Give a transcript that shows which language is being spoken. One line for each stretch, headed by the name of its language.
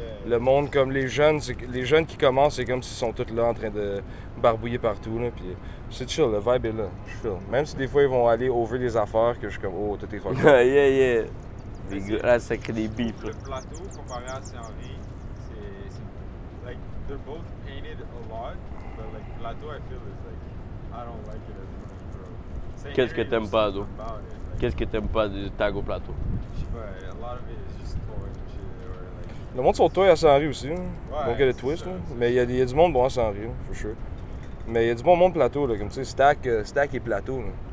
French: Le monde, comme les jeunes qui commencent, c'est comme s'ils sont tous là en train de barbouiller partout, là, puis c'est chill, le vibe est là, je chill. Même si des fois, ils vont aller over des affaires, que je suis comme, oh, tout est trop
English: cool. Yeah, yeah, yeah.
French: Les gars, là, ça crée des bifs. Le plateau, comparé à Saint-Henri, c'est...
English: Like, they're both painted a lot, but le like, plateau, I feel, is like, I don't like it as much, bro.
French: Saint-Henri, qu'est-ce que t'aimes pas, d'où? Like, qu'est-ce que t'aimes pas du tag au plateau? Je sais pas,
English: a lot of it is just boring.
French: Le monde sur toi à Saint-Henri aussi, donc il y a des twists, là. Mais il y a du monde bon à Saint-Henri, for sure. Mais il y a du bon monde plateau, là, comme tu sais, stack et plateau. Là.